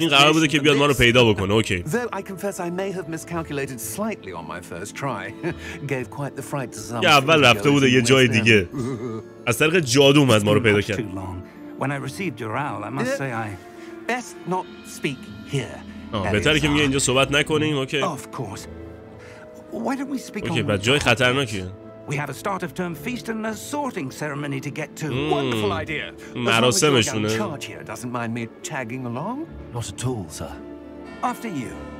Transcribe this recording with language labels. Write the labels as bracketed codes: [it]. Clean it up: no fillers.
[fa] این قرار بوده که بیاد ما رو پیدا بکنه. [en] Okay. Though I confess I may have miscalculated slightly on my first try. Gave quite the fright to some. [fa] یه اول رفته بوده یه جای دیگه. از طریق جادو اومد ما رو پیدا کرد. [en] When I received your owl, I must say I best not speak here. [fa] بهتره که میگه اینجا صحبت نکنیم. [en] Okay. Of course. Why don't we speak on [fa] اوکی، بعد جای خطرناکیه. [en] We have a start of term feast and a sorting ceremony to get to. [fa] مراسمشونه. [en] Doesn't mind me tagging along? Not at all, sir. After you.